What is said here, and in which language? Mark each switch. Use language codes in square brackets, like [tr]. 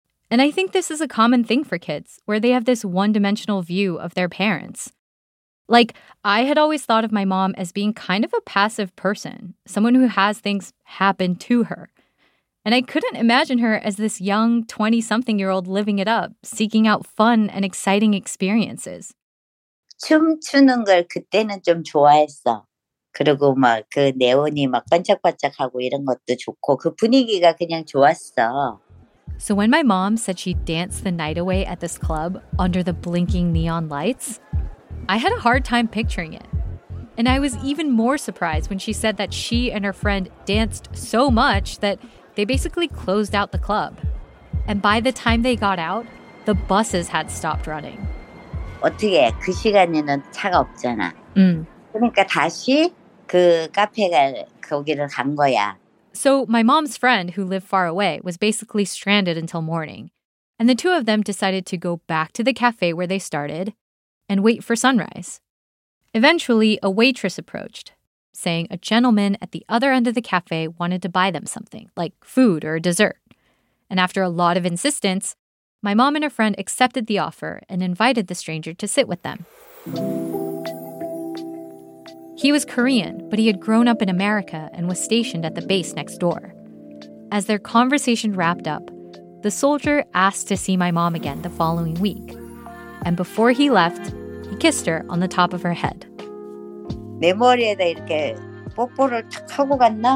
[en] And I think this is a common thing for kids, where they have this one-dimensional view of their parents. Like, I had always thought of my mom as being kind of a passive person, someone who has things happen to her. And I couldn't imagine her as this young 20-something-year-old living it up, seeking out fun and exciting experiences. [ko] 춤추는 걸 그때는 좀 좋아했어. 그리고 막 그 네온이 막 반짝반짝하고 이런 것도 좋고 그 분위기가 그냥 좋았어. [en] So when my mom said she danced the night away at this club under the blinking neon lights, I had a hard time picturing it. And I was even more surprised when she said that she and her friend danced so much that they basically closed out the club. And by the time they got out, the buses had stopped running. [ko] 어떻게 그 시간에는 차가 없잖아. 그러니까 다시 그 카페가 거기를 간 거야. [en] So my mom's friend who lived far away was basically stranded until morning. And the two of them decided to go back to the cafe where they started and wait for sunrise. Eventually, a waitress approached, saying a gentleman at the other end of the cafe wanted to buy them something, like food or a dessert. And after a lot of insistence, My mom and a friend accepted the offer and invited the stranger to sit with them. He was Korean, but he had grown up in America and was stationed at the base next door. As their conversation wrapped up, the soldier asked to see my mom again the following week. And before he left, he kissed her on the top of her head. [ko] 내 머리에다 이렇게 뽀뽀를 탁 하고 갔나?